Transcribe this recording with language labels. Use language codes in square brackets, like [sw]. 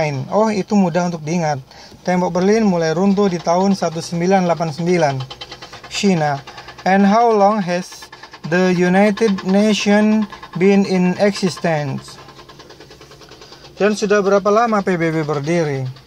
[id] Oh, itu mudah untuk diingat. Tembok Berlin mulai runtuh di tahun 1989. [en] Sheena, and how long has the United Nations been in existence? [id] Dan sudah berapa lama PBB berdiri?